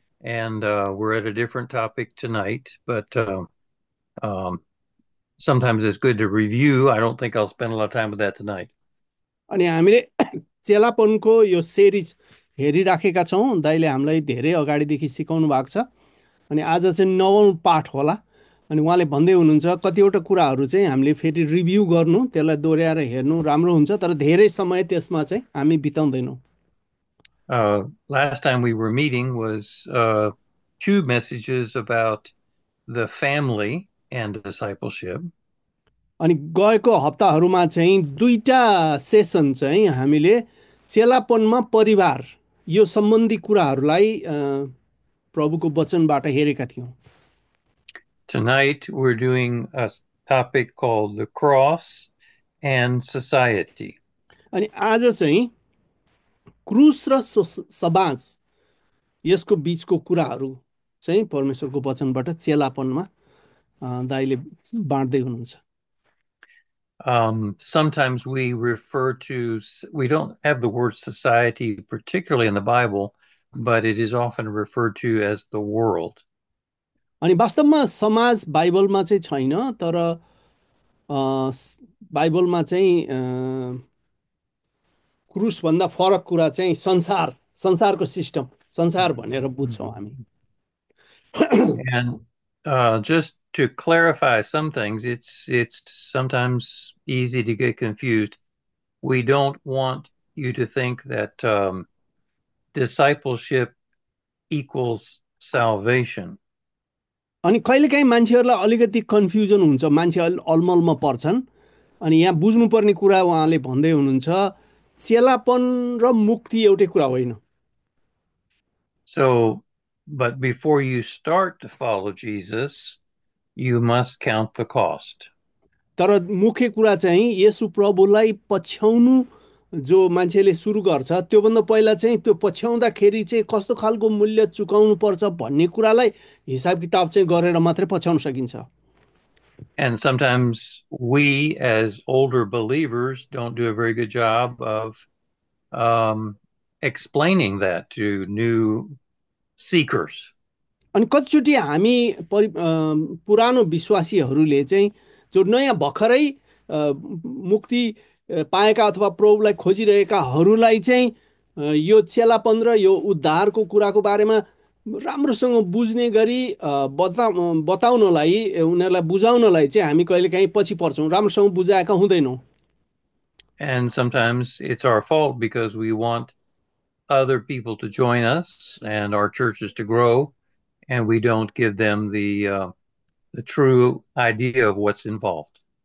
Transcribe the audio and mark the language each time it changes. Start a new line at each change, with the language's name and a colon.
English: And we're at a different topic tonight, but sometimes it's good to review. I don't think I'll spend a lot of time with that tonight.
Nepali: अनि हामीले चेलापनको यो series हेरिराखेका छौँ। दाइले हामीलाई धेरै अगाडिदेखि सिकाउनु भएको छ अनि आज चाहिँ नवौँ पाठ होला। अनि उहाँले भन्दै हुनुहुन्छ कतिवटा कुराहरू चाहिँ हामीले फेरि रिभ्यू गर्नु, त्यसलाई दोहोऱ्याएर हेर्नु राम्रो हुन्छ, तर धेरै समय त्यसमा चाहिँ हामी बिताउँदैनौँ।
English: Last time we were meeting was two messages about the family and discipleship.
Nepali: अनि गएको हप्ताहरूमा चाहिँ दुईटा सेसन चाहिँ हामीले चेलापनमा परिवार यो सम्बन्धी कुराहरूलाई प्रभुको वचनबाट हेरेका थियौँ।
English: Tonight we're doing a topic called the cross and society.
Nepali: अनि आज चाहिँ क्रुस र समाज यसको बिचको कुराहरू चाहिँ परमेश्वरको वचनबाट चेलापनमा दाइले बाँड्दै हुनुहुन्छ।
English: Sometimes we refer to, we don't have the word society particularly in the Bible, but it is often referred to as the world.
Nepali: अनि वास्तवमा समाज बाइबलमा चाहिँ छैन, तर बाइबलमा चाहिँ क्रुसभन्दा फरक कुरा चाहिँ संसार, संसारको सिस्टम, संसार भनेर बुझ्छौँ हामी।
English: And just to clarify some things, it's sometimes easy to get confused. We don't want you to think that discipleship equals salvation.
Nepali: अनि कहिलेकाहीँ मान्छेहरूलाई अलिकति कन्फ्युजन हुन्छ, मान्छे अलि अलमलमा पर्छन्। अनि यहाँ बुझ्नुपर्ने कुरा उहाँले भन्दै हुनुहुन्छ, चेलापन र मुक्ति एउटै कुरा होइन।
English: So, but before you start to follow Jesus, you must count the cost.
Nepali: तर मुख्य कुरा चाहिँ येशु प्रभुलाई पछ्याउनु जो मान्छेले सुरु गर्छ, त्योभन्दा पहिला चाहिँ त्यो पछ्याउँदाखेरि चाहिँ कस्तो खालको मूल्य चुकाउनु पर्छ भन्ने कुरालाई हिसाब किताब चाहिँ गरेर मात्रै पछ्याउन सकिन्छ।
English: And sometimes we, as older believers, don't do a very good job of explaining that to new seekers.
Nepali: अनि कतिचोटि हामी पुरानो विश्वासीहरूले चाहिँ जो नयाँ भर्खरै मुक्ति पाएका अथवा प्रभुलाई खोजिरहेकाहरूलाई चाहिँ यो चेलापन र यो उद्धारको कुराको बारेमा राम्रोसँग बुझ्ने गरी बताउनलाई, उनीहरूलाई बुझाउनलाई चाहिँ हामी कहिलेकाहीँ पछि पर्छौँ, राम्रोसँग बुझाएका हुँदैनौँ।
English: And sometimes it's our fault because we want other people to join us and our churches to grow, and we don't give them the true idea of what's involved.